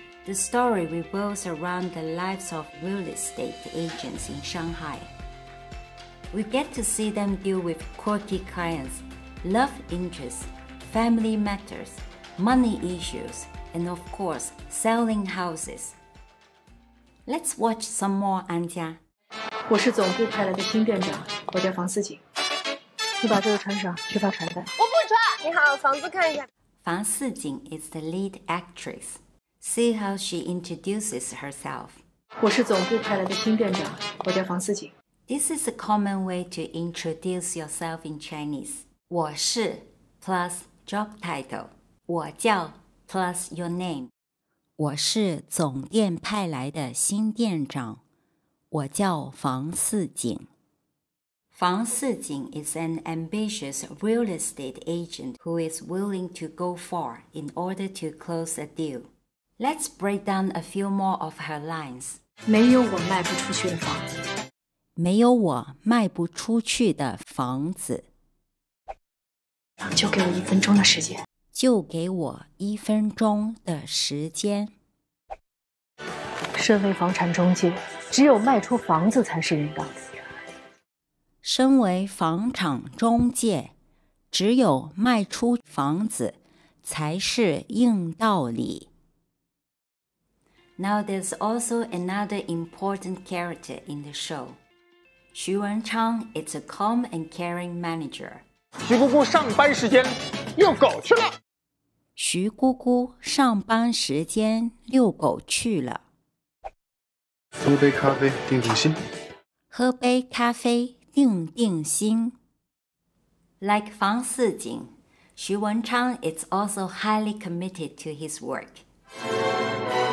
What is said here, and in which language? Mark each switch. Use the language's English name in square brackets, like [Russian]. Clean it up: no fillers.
[English] The story revolves around the lives of real estate agents in Shanghai. We get to see them deal with quirky clients, love interests, family matters, money issues, and of course, selling houses. Let's watch some more 安家。 [Chinese] 我是总部派来的新店长，我叫房思锦。你把这个穿上，去发传单。我不穿。你好，房子看一下。 [English] 房思锦 is the lead actress. See how she introduces herself. [Chinese] 我是总部派来的新店长，我叫房思锦。 [English] This is a common way to introduce yourself in Chinese. [Chinese] 我是 [English] plus job title. [Chinese] 我叫 [English] plus your name. [Chinese] 我是总店派来的新店长。我叫房四锦。 [English] 房四锦 is an ambitious real estate agent who is willing to go far in order to close a deal. Let's break down a few more of her lines. [Chinese] 没有我卖不出去的房子。没有我卖不出去的房子。就给我一分钟的时间。就给我一分钟的时间。身为房产中介，只有卖出房子才是人道。身为房产中介，只有卖出房子才是硬道理。 [English] Now there's also another important character in the show. 徐文昌 is a calm and caring manager. [Chinese] 徐姑姑上班时间遛狗去了。徐姑姑上班时间遛狗去了。喝杯咖啡定定心。喝杯咖啡定定心。 [English] Like 房四锦，徐文昌 is also highly committed to his work.